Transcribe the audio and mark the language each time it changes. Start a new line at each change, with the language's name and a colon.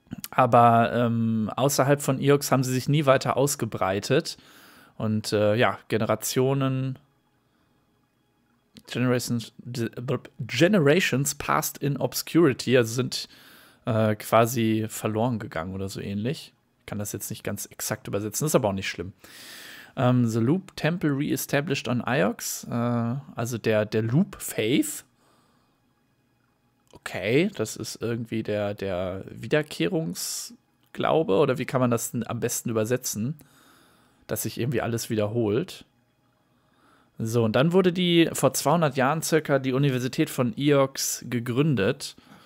German: Aber außerhalb von Iox haben sie sich nie weiter ausgebreitet. Und ja,
English: Generations passed in obscurity,
German: also sind quasi verloren gegangen oder so ähnlich. Ich kann das jetzt nicht ganz exakt übersetzen, ist aber auch nicht schlimm.
English: The Loop Temple reestablished on Iox,
German: also der Loop Faith. Okay, das ist irgendwie der Wiederkehrungsglaube, oder wie kann man das am besten übersetzen? Dass sich irgendwie alles wiederholt. So, und dann wurde die vor 200 Jahren circa die Universität von Iox gegründet.